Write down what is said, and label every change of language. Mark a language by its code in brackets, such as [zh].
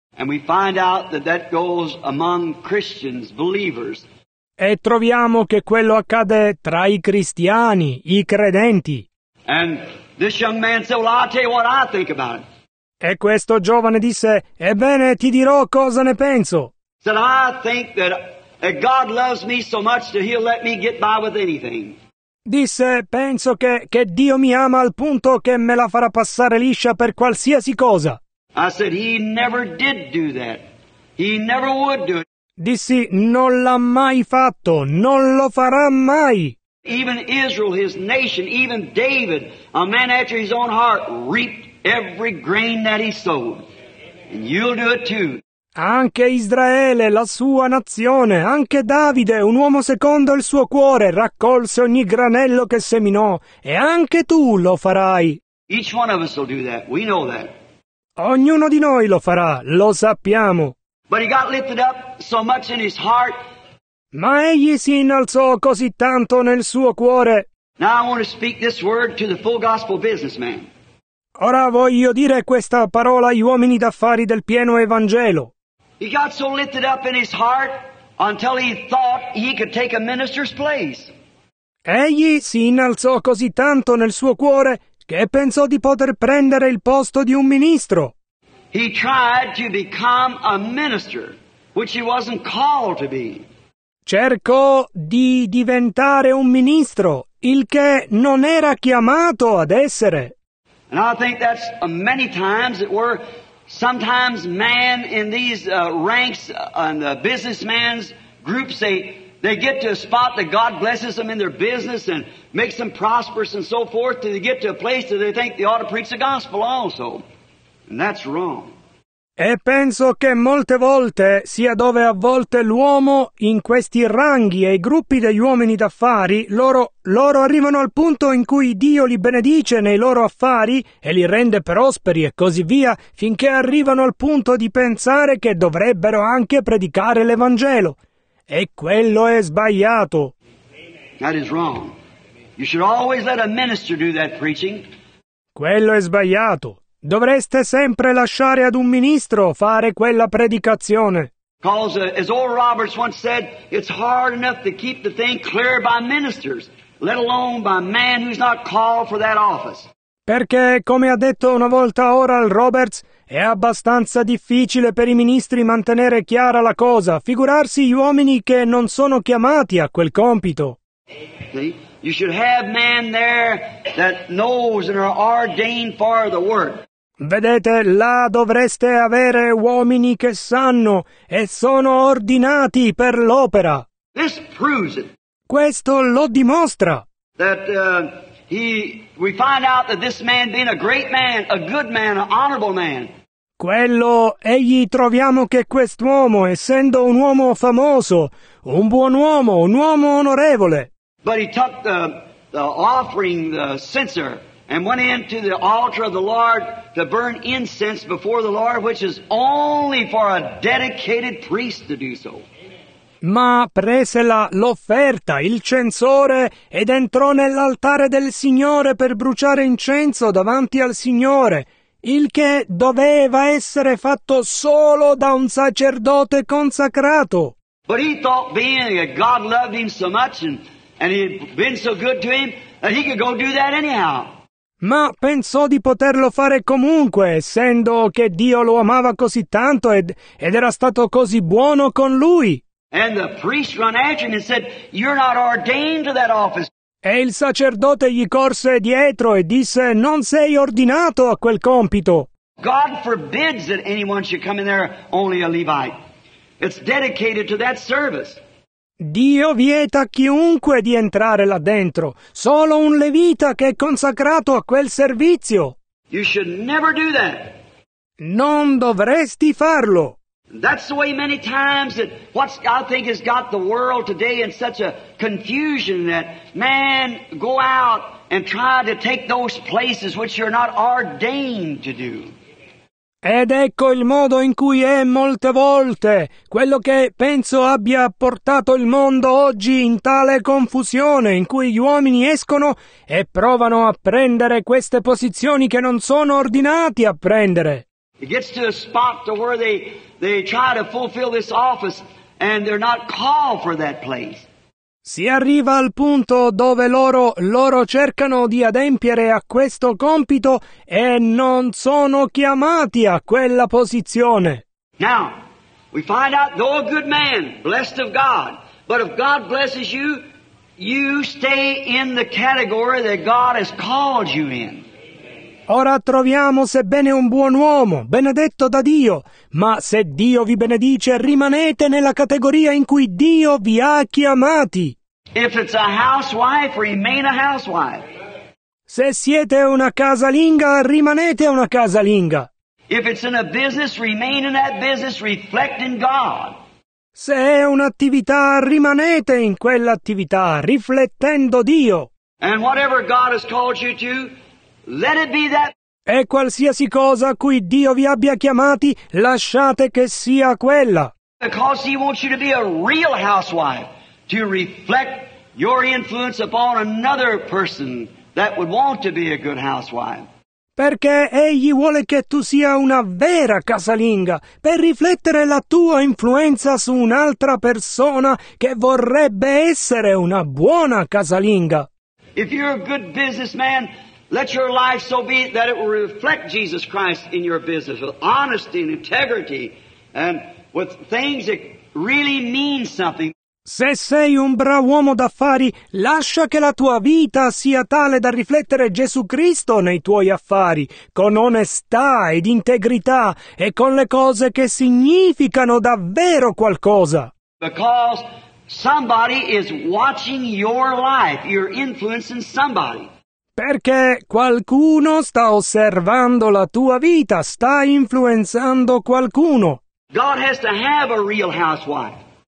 [en] And we find out that that goes among Christians, believers. [it] E troviamo che quello accade tra i cristiani, i credenti. [en] And this young man said, "Well, I'll tell you what I think about it." [it] E questo giovane disse, "Ebbene, ti dirò cosa ne penso." [en] Said, "I think that God loves me so much that He'll let me get by with anything." [it] Disse, penso che Dio mi ama al punto che me la farà passare liscia per qualsiasi cosa. [en] I said, "He never did do that. He never would do it." [it] Dissi, non l'ha mai fatto, non lo farà mai. [en] Even Israel, his nation, even David, a man after his own heart, reaped every grain that he sowed. And you'll do it too. [it] Anche Israele, la sua nazione, anche Davide, un uomo secondo il suo cuore, raccolse ogni granello che seminò, e anche tu lo farai. [en] Each one of us will do that. We know that. [it] Ognuno di noi lo farà, lo sappiamo. [en] But he got lifted up so much in his heart. [it] Ma egli si innalzò così tanto nel suo cuore. [en] Now I want to speak this word to the full gospel businessman. [it] Ora voglio dire questa parola agli uomini d'affari del pieno evangelo. [en] He got so lifted up in his heart until he thought he could take a minister's place. [it] Egli si innalzò così tanto nel suo cuore che pensò di poter prendere il posto di un ministro. [en] He tried to become a minister, which he wasn't called to be. [it] Cercò di diventare un ministro, il che non era chiamato ad essere. [en] And I think that's many times that we're sometimes man in these ranks and the businessman's groups, they get to a spot that God blesses them in their business and makes them prosperous and so forth, till they get to a place that they think they ought to preach the gospel also. And that's wrong. [it] E penso che molte volte sia dove a volte l'uomo in questi ranghi e i gruppi degli uomini d'affari loro arrivano al punto in cui Dio li benedice nei loro affari e li rende prosperi e così via finché arrivano al punto di pensare che dovrebbero anche predicare l'Evangelo e quello è sbagliato. [en] That is wrong. You should always let a minister do that preaching. [it] Quello è sbagliato. Dovreste sempre lasciare ad un ministro fare quella predicazione. [en] Because, as old Roberts once said, it's hard enough to keep the thing clear by ministers, let alone by man who's not called for that office. [it] Perché, come ha detto una volta Oral Roberts, è abbastanza difficile per i ministri mantenere chiara la cosa, figurarsi gli uomini che non sono chiamati a quel compito. [en] See? You should have man there that knows and are ordained for the work. [it] Vedete, là dovreste avere uomini che sanno e sono ordinati per l'opera. [en] This proves it. [it] Questo lo dimostra. [en] That we find out that this man being a great man, a good man, an honorable man. [it] Quello, egli troviamo che quest'uomo, essendo un uomo famoso, un buon uomo, un uomo onorevole. [en] But he took the offering, the censer, and went into the altar of the Lord to burn incense before the Lord, which is only for a dedicated priest to do so. [it] Ma prese l'offerta, il censore, ed entrò nell'altare del Signore per bruciare incenso davanti al Signore, il che doveva essere fatto solo da un sacerdote consacrato. [en] But he thought being that God loved him so much and he had been so good to him that he could go do that anyhow. [it] Ma pensò di poterlo fare comunque, essendo che Dio lo amava così tanto ed era stato così buono con lui. [en] And the priest run after him and said, "You're not ordained to that office." [it] E il sacerdote gli corse dietro e disse, "Non sei ordinato a quel compito." [en] God forbids that anyone should come in there only a Levite. It's dedicated to that service. [it] Dio vieta a chiunque di entrare là dentro, solo un levita che è consacrato a quel servizio. [en] You should never do that. [it] Non dovresti farlo. [en] That's the way many times that what I think has got the world today in such a confusion that man go out and try to take those places which you're not ordained to do. [it] Ed ecco il modo in cui è molte volte quello che penso abbia portato il mondo oggi in tale confusione, in cui gli uomini escono e provano a prendere queste posizioni che non sono ordinati a prendere. [en] It gets to a spot to where they try to fulfill this office and they're not called for that place. [it] Si arriva al punto dove loro cercano di adempiere a questo compito e non sono chiamati a quella posizione. [en] Now, we find out, though a good man, blessed of God, but if God blesses you, you stay in the category that God has called you in. [it] Ora troviamo, sebbene un buon uomo, benedetto da Dio, ma se Dio vi benedice, rimanete nella categoria in cui Dio vi ha chiamati. [en] If it's a housewife, remain a housewife. [it] Se siete una casalinga, rimanete una casalinga. [en] If it's in a business, remain in that business, reflecting God. [it] Se è un'attività, rimanete in quell'attività, riflettendo Dio. [en] And whatever God has called you to, let it be that. [it] E qualsiasi cosa a cui Dio vi abbia chiamati, lasciate che sia quella. [en] Because he wants you to be a real housewife, to reflect your influence upon another person that would want to be a good housewife. [it] Perché egli vuole che tu sia una vera casalinga, per riflettere la tua influenza su un'altra persona che vorrebbe essere una buona casalinga. [en] If you're a good businessman, let your life so be that it will reflect Jesus Christ in your business with honesty and integrity and with things that really mean something. [it] Se sei un bravo uomo d'affari, lascia che la tua vita sia tale da riflettere Gesù Cristo nei tuoi affari, con onestà ed integrità e con le cose che significano davvero qualcosa. [en] Because somebody is watching your life, you're influencing somebody. [it] Perché qualcuno sta osservando la tua vita, sta influenzando qualcuno. [en] God has to have a real housewife.